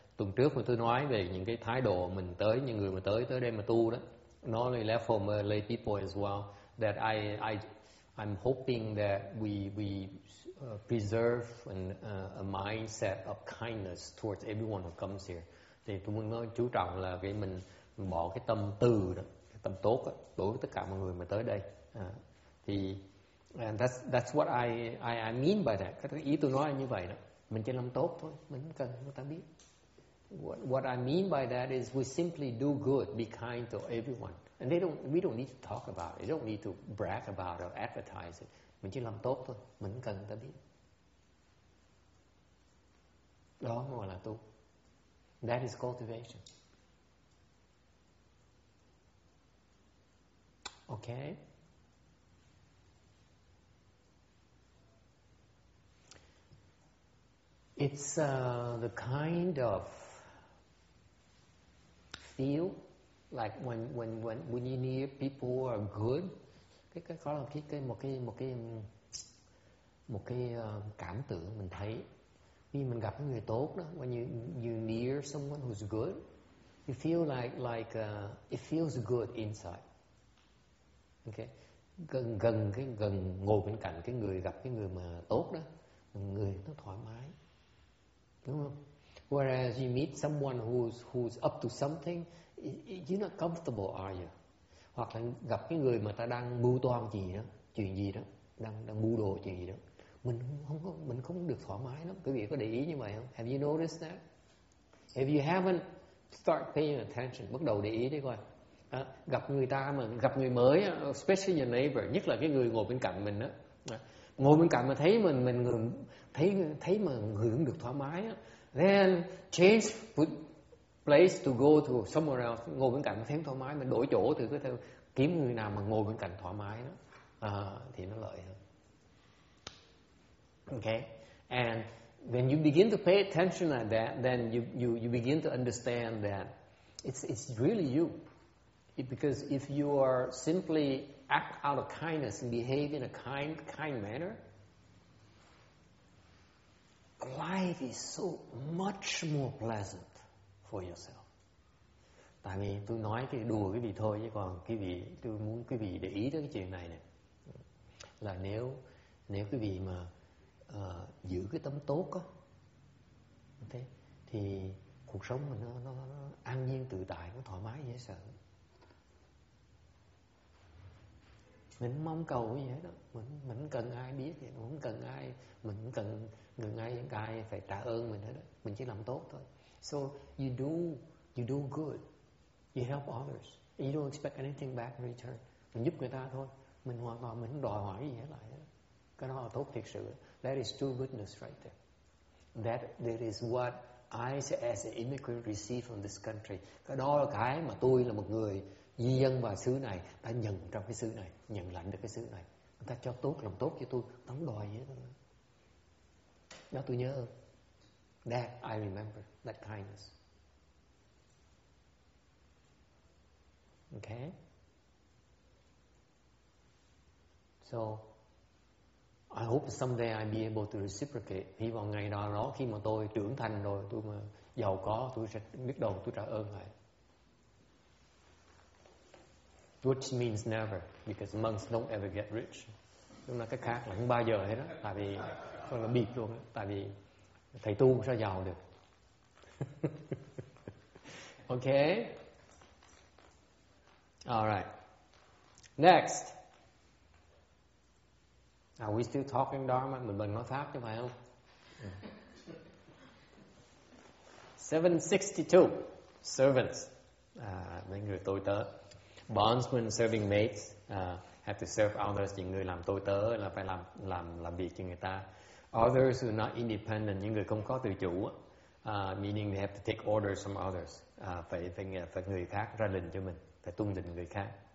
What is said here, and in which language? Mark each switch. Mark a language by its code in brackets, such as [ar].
[vi] Tuần trước mà tôi nói về những cái thái độ mình tới những người mà tới đây mà tu đó. [en] Not only left from lay people as well, that I'm hoping that we preserve a mindset of kindness towards everyone who comes here. [vi] Thì tôi muốn nói chú trọng là cái mình bỏ cái tâm từ đó, cái tâm tốt đó, đối với tất cả mọi người mà tới đây. [en] Thì and that's what I mean by that. [vi] Cái ý tôi nói là như vậy đó. Mình chỉ làm tốt thôi, mình cần người ta biết. [en] What I mean by that is we simply do good, be kind to everyone. And we don't need to talk about it. We don't need to brag about it or advertise it. [vi] Mình chỉ làm tốt thôi. Mình cần người ta biết. Đó mới gọi là tu. [en] That is cultivation. Okay? It's the kind of feel like when you hear people are good, [vi] cái có là cái một cảm tưởng mình thấy khi mình gặp cái người tốt đó. [en] When you hear someone who's good, you feel like it feels good inside. [vi] Okay, gần ngồi bên cạnh cái người gặp cái người mà tốt đó, người nó thoải mái, đúng không? [en] Whereas you meet someone who's up to something, you're not comfortable, are you? [vi] Hoặc là gặp cái người mà ta đang mưu toan gì đó, chuyện gì đó, đang mưu đồ chuyện gì đó, mình không được thoải mái lắm. Quý vị có để ý như vậy không? [en] Have you noticed that? If you haven't, start paying attention. [vi] Bắt đầu để ý đi coi. Gặp người ta mà gặp người mới, [en] especially your neighbor, [vi] nhất là cái người ngồi bên cạnh mình đó. Ngồi bên cạnh mà thấy mình thấy mà người không được thoải mái á. [en] Then change place to go to somewhere else. [vi] Ngồi bên cạnh nó thấy thoải mái, mình đổi chỗ thử cái theo kiếm người nào mà ngồi bên cạnh thoải mái đó, thì nó lợi hơn. [en] Okay. And when you begin to pay attention like that, then you begin to understand that it's really you. Because if you are simply act out of kindness and behave in a kind manner, life is so much more pleasant for yourself. [vi] Tại vì tôi nói cái đùa quý vị thôi, chứ còn quý vị, tôi muốn quý vị để ý tới cái chuyện này nè. Là nếu quý vị mà giữ cái tâm tốt á, okay, thì cuộc sống mình nó an nhiên tự tại, nó thoải mái dễ sợ. Mình mong cầu gì hết đó, mình cần ai biết thì không cần ai, mình cần người ngay những cái phải trả ơn mình hết đó, mình chỉ làm tốt thôi. So you do good, you help others, and you don't expect anything back in return. Mình giúp người ta thôi, mình hoàn toàn mình không đòi hỏi gì hết lại hết. Cái đó là tốt thiệt sự. [en] That is true goodness right there. That is what I as an immigrant receive from this country. [vi] Cái đó là cái mà tôi là một người di dân vào xứ này, ta nhận trong cái xứ này, nhận lãnh được cái xứ này, người ta cho tốt, làm tốt cho tôi, tống đòi gì hết. Đó tôi nhớ. [en] That I remember, that kindness. Okay. So I hope someday I'll be able to reciprocate. [vi] Hy vọng ngày nào đó khi mà tôi trưởng thành rồi, tôi mà giàu có, tôi sẽ biết đầu tôi trả ơn lại. [en] Which means never, because monks don't ever get rich. [vi] Đúng là cái khác là không bao giờ hết đó, tại vì còn là bịp luôn đó, tại vì thầy tu sao giàu được. [en] Okay. All right. Next. Are we still talking Dharma? [vi] Mình bận nói pháp chứ phải không? 762. [en] Servants. [vi] Mấy người tôi tớ. [en] Bondsmen serving mates have to serve others. [vi] Những người làm tôi tớ là phải làm việc cho người ta. [en] Others who are not independent. [vi] Những người không có tự chủ. [en] Meaning they have to take orders from others. [vi] Phải người khác ra lệnh cho mình. Phải tuân lệnh người khác.